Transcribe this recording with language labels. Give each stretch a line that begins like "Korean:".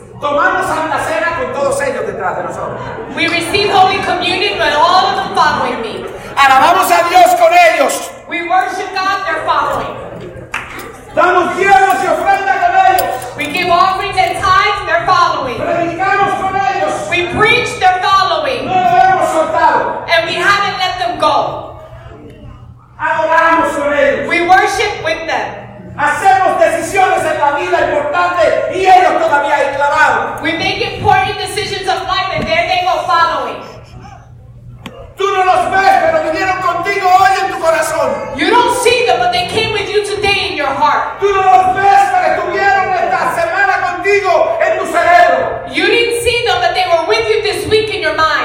Spanish: Tomamos Santa Cena con todos ellos detrás de nosotros.
English: We receive Holy Communion with all of them following me.
Spanish: Alabamos a Dios con ellos.
English: We worship God, they're following.
Spanish: Damos diezmos y ofrendas con ellos.
English: We give offerings and tithes, they're following.
Spanish: Predicamos con ellos.
English: We preach, they're following.
Spanish: No lo hemos soltado.
English: And we haven't let them go.
Spanish: Adoramos con ellos.
English: We worship with them.
Spanish: Hacemos decisiones en la vida importantes y ellos todavía ahí clavados.
English: We make important decisions of life and there they go following.
Spanish: Tú no los ves, pero vinieron contigo hoy en tu corazón.
English: You don't see them, but they came with you today in your heart.
Spanish: Tú no los ves, pero estuvieron esta semana contigo en tu cerebro.
English: You didn't see them, but they were with you this week in your mind.